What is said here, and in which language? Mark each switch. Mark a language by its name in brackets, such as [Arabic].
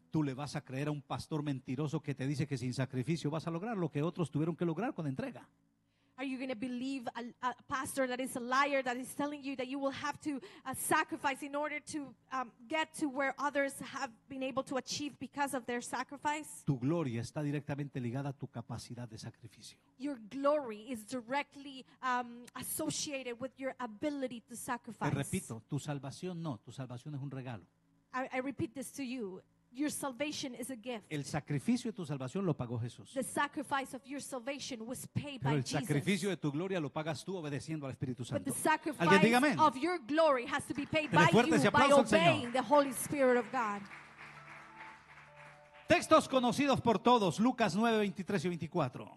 [Spanish] Tú le vas a creer a un pastor mentiroso que te dice que sin sacrificio vas a lograr lo que otros tuvieron que lograr con entrega. [English] Are you going to believe a pastor that is a liar that is telling you that you will have to sacrifice in order to get to where others have been able to achieve because of their sacrifice? [Spanish] Tu gloria está directamente ligada a tu capacidad de sacrificio. [English] Your glory is directly associated with your ability to sacrifice. [Spanish] Te repito, tu salvación no, tu salvación es un regalo. [English] I repeat this to you. Your salvation is a gift. [Spanish] El sacrificio de tu salvación lo pagó Jesús. [English] The sacrifice of your salvation was paid [Spanish] Pero [English] by [Spanish] el [English] Jesus. [Spanish] Sacrificio de tu gloria lo pagas tú obedeciendo al Espíritu Santo. [English] But the sacrifice of your glory has to be paid by you by obeying the Holy Spirit of God. [Spanish] Textos conocidos por todos, Lucas 9, 23 y 24.